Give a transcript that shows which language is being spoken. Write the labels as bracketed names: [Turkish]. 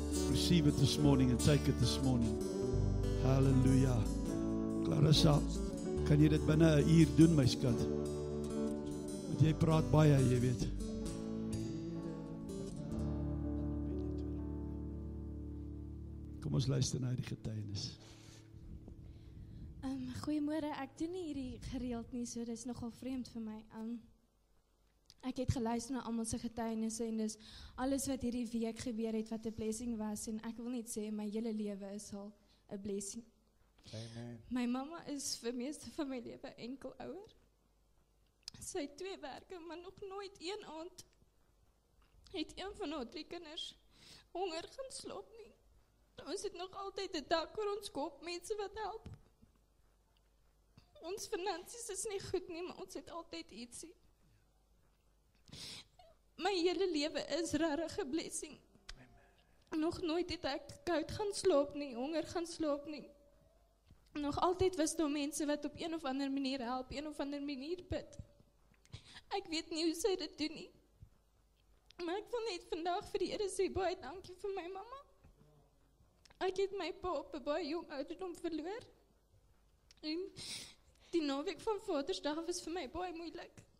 [English] Receive it this morning and take it this morning. Hallelujah. [Afrikaans] Clarissa, kan jy dit binne 'n uur doen my skat? Want jy praat baie, jy weet. Kom ons luister na die getuienis. Goeiemôre, ek doen nie hierdie gereeld nie, so dis nogal vreemd vir my. Ek het geluister na almal se getuienisse en dis alles wat hierdie week gebeur het wat 'n blessing was en ek wil net sê my hele lewe is al 'n blessing. Amen. My mama is vir meeste van my lewe enkel ouer. Sy het twee werke, maar nog nooit een aand het een van haar drie kinders honger gaan slaap nie. Ons het nog altyd 'n dak oor ons kop, mense wat help. Ons finansies is nie goed nie, maar ons het altyd ietsie. My hele lewe is regtig 'n blessing. Nog nooit het ek koud gaan slaap nie, honger gaan slaap nie. Nog altyd was daar mense wat op een of ander manier help, een of ander manier bid. Ek weet nie hoe sy dit doen nie. Maar ek wil net vandag vir die Here sê baie dankie vir my mama. Ek het my pa op 'n baie jong ouderdom verloor. En die naweek van Vadersdag was vir my baie moeilik.